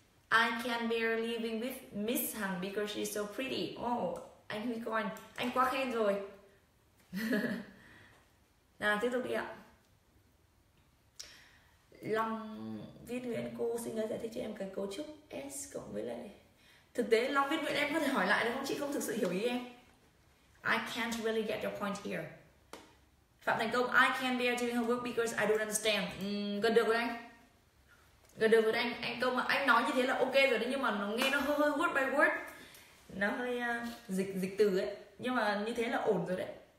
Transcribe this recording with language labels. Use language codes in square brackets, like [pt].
[en] I can't bear living with Miss Hằng because she's so pretty. [vi] Oh, anh Huy Con, anh quá khen rồi. Nào, tiếp tục đi ạ. Long viết Nguyễn, cô xin lỗi giải thích cho em cái cấu trúc S cộng với lại. Thực tế Long viết Nguyễn, em có thể hỏi lại được không? Chị không thực sự hiểu ý em. [en] I can't really get your point here. Phạm Thành Công, I can't bear doing her work because I don't understand. [vi] Gần được rồi anh. Gần được rồi anh Công ạ, anh nói như thế là ok rồi đấy, nhưng mà nó nghe nó hơi [en] word by word. [vi] Nó hơi dịch từ ấy, nhưng mà như thế là ổn rồi đấy.